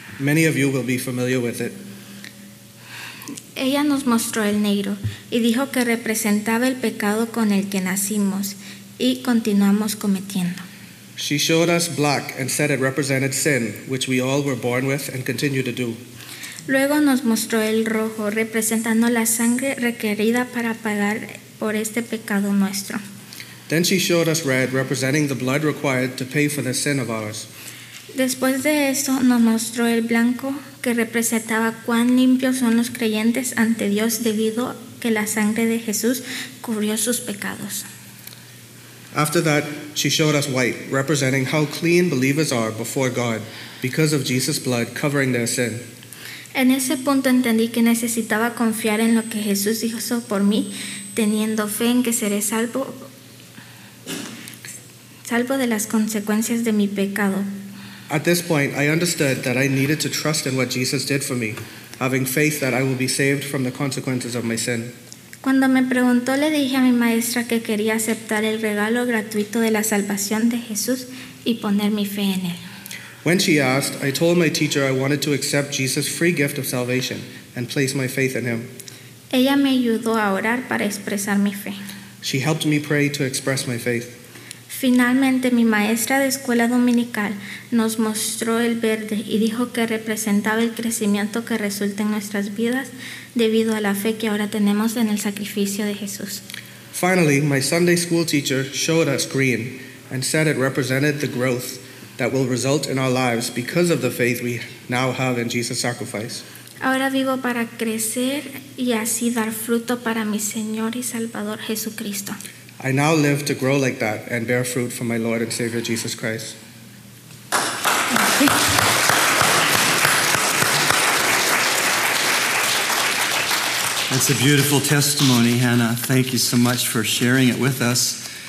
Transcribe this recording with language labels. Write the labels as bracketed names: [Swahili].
[English] Many of you will be familiar with it. [Spanish] Ella nos mostró el negro y dijo que representaba el pecado con el que nacimos y continuamos cometiendo. [English] She showed us black and said it represented sin, which we all were born with and continue to do. [Spanish] Luego nos mostró el rojo, representando la sangre requerida para pagar por este pecado nuestro. [English] Then she showed us red, representing the blood required to pay for the sin of ours. [Spanish] Después de esto, nos mostró el blanco, que representaba cuán limpios son los creyentes ante Dios debido a que la sangre de Jesús cubrió sus pecados. [English] After that, she showed us white, representing how clean believers are before God because of Jesus' blood covering their sin. [Spanish] En ese punto entendí que necesitaba confiar en lo que Jesús hizo por mí, teniendo fe en que seré salvo de las consecuencias de mi pecado. [English] At this point, I understood that I needed to trust in what Jesus did for me, having faith that I will be saved from the consequences of my sin. [Spanish] Cuando me preguntó, le dije a mi maestra que quería aceptar el regalo gratuito de la salvación de Jesús y poner mi fe en él. [English] When she asked, I told my teacher I wanted to accept Jesus' free gift of salvation and place my faith in him. [Spanish] Ella me ayudó a orar para expresar mi fe. [English] She helped me pray to express my faith. [Spanish] Finalmente, mi maestra de escuela dominical nos mostró el verde y dijo que representaba el crecimiento que resulta en nuestras vidas debido a la fe que ahora tenemos en el sacrificio de Jesús. [English] Finally, my Sunday school teacher showed us green and said it represented the growth that will result in our lives because of the faith we now have in Jesus' sacrifice. [Spanish] Ahora vivo para crecer y así dar fruto para mi Señor y Salvador Jesucristo. [English] I now live to grow like that and bear fruit for my Lord and Savior Jesus Christ. That's a beautiful testimony, Hannah. Thank you so much for sharing it with us.